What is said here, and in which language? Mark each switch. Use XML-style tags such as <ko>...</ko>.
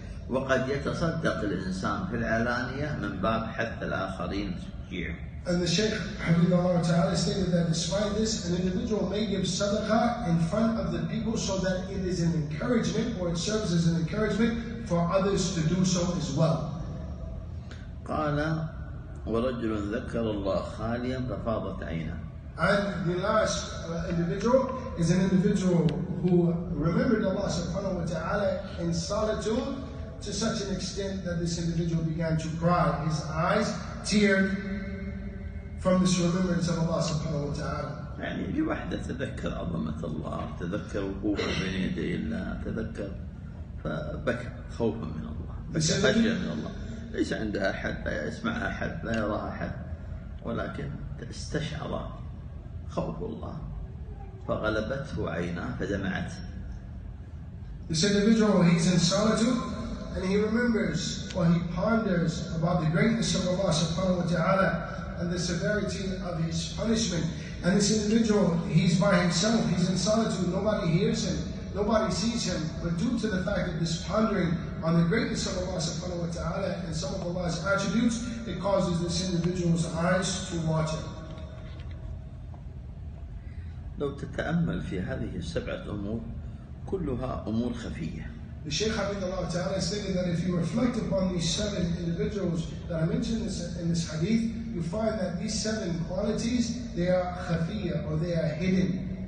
<ar>وقد يتصدق الإنسان في العلانية من باب حث الآخرين فيه.</ar> <en>And the Shaykh Habibullah Ta'ala stated that despite this, an individual may give sadaqah in front of the people so that it is an encouragement or it serves as an encouragement for others to do so as well.</en> <ar>قال ورجل ذكر الله خاليا ففاضت عينه.</ar> <en>And the last individual is an individual who remembered Allah subhanahu wa ta'ala in solitude to such an extent that this individual began to cry, his eyes teared from this remembrance of Allah subhanahu wa ta'ala.</en> <ar>يعني بوحدة تذكر عظمة الله, تذكر قوة بين يدي الله, تذكر فبكى خوفا من الله, بكى فجأة من الله. ليس عندها أحد, لا يسمع أحد, لا يرى أحد, ولكن استشعر خوف الله فغلبته عيناه فدمعت.</ar> <en>This individual, he's in solitude and he remembers or he ponders about the greatness of Allah subhanahu wa ta'ala and the severity of his punishment. And this individual, he's by himself, he's in solitude, nobody hears him, nobody sees him, but due to the fact of this pondering on the greatness of Allah subhanahu wa ta'ala and some of Allah's attributes, it causes this individual's eyes to water.</en> <ar>لو تتأمل في هذه السبعة أمور كلها أمور خفية.</ar> <en>The Shaykh Habib Allah Ta'ala stated that if you reflect upon these seven individuals that I mentioned in this hadith, you find that these seven qualities, they are khafiyya or they are hidden.</en>